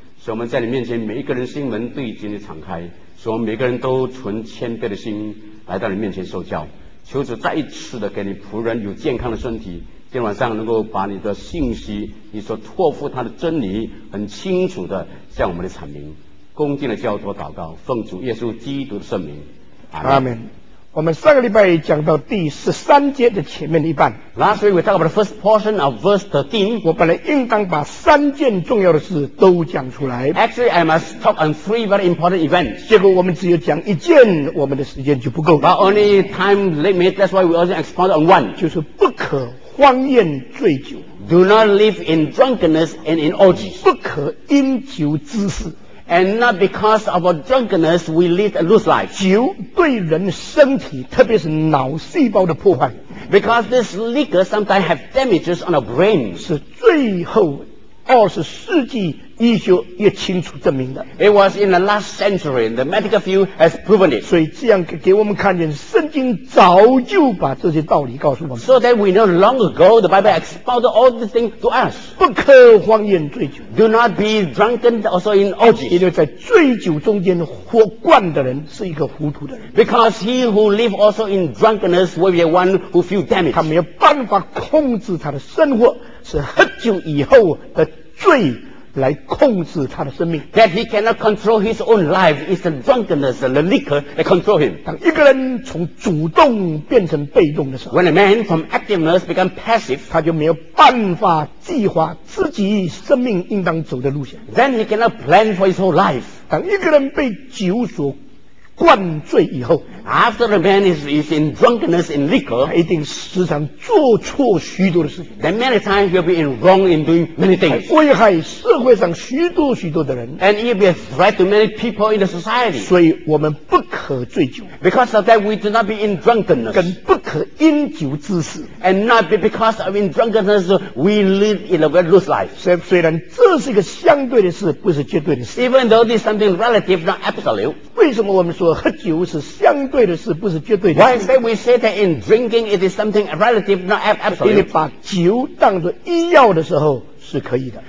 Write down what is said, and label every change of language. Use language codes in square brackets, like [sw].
[zh] 使我们在你面前每一个人心门对经的敞开，使我们每个人都存谦卑的心来到你面前受教，求主再一次的给你仆人有健康的身体，今天晚上能够把你的信息，你所托付他的真理很清楚的向我们的阐明，恭敬的交托祷告，奉主耶稣基督的圣名，阿们。我们上个礼拜讲到第十三节的前面的一半。 [en] Last week we talked about the first portion of verse 13. [zh] 我本来应当把三件重要的事都讲出来。 [en] Actually, I must talk on 3 very important events. [zh] 结果我们只有讲一件，我们的时间就不够。 [en] But only time limit, that's why we also expound on one. [zh] 就是不可荒宴醉酒。 [en] Do not live in drunkenness and in orgies. [zh] 不可因酒滋事。 [en] And not because of our drunkenness, we lead a loose life. [zh] 酒对人身体，特别是脑细胞的破坏。 [en] Because this liquor sometimes have damages on our brain. [zh] 是最后20世纪医学越清楚证明的。 [en] It was in the last century, the medical field has proven it. [zh] 所以这样给我们看见，圣经早就把这些道理告诉我们。 [en] So that we know long ago, the Bible expounded all these things to us. [zh] 不可荒宴醉酒。 [en] Do not be drunken also in orgies. [zh] 因为在醉酒中间喝惯的人是一个糊涂的人。 [en] Because he who live also in drunkenness will be one who feel damaged. [zh] 他没有办法控制他的生活，是喝酒以后的醉来控制他的生命。 [en] That he cannot control his own life is the drunkenness, the liquor that control him. [zh] 当一个人从主动变成被动的时候 [en] ，When a man from activeness become passive, [zh] 他就没有办法计划自己生命应当走的路线。 [en] Then he cannot plan for his whole life. [zh] 当一个人被酒所灌醉以后 [en] ，After a man is in drunkenness in liquor, [zh] 他一定时常做错许多的事情。 [en] Then many times he'll be in wrong in doing many things. [zh] 危害社会上许多许多的人。 [en] And he'll be a threat to many people in the society. [zh] 所以我们不可醉酒。 [en] Because of that, we do not be in drunkenness. [zh] 跟不可因酒滋事。 [en] And not be because of in drunkenness, we live in a very loose life. [zh] 虽然这是一个相对的事，不是绝对的事。 [en] Even though this is something relative, not absolute. [zh] 为什么我们说喝酒是相对的事，不是绝对的事。 [en] Why we say that in drinking it is something relative, not absolute? [zh] 因为把酒当作医药的时候是可以的。